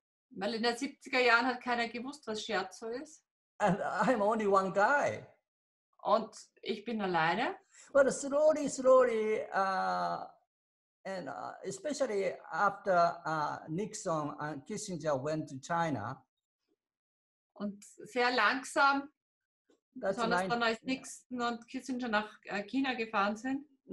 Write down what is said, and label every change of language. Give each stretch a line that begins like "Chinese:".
German: Weil in den 70er Jahren hat keiner gewusst, was Shiatsu ist.
English: And I'm only one guy.
German: Und ich bin alleine.
English: But slowly, slowly, and especially after Nixon and Kissinger went to China.
German: Und sehr langsam, besonders als Nixon und Kissinger nach China gefahren sind.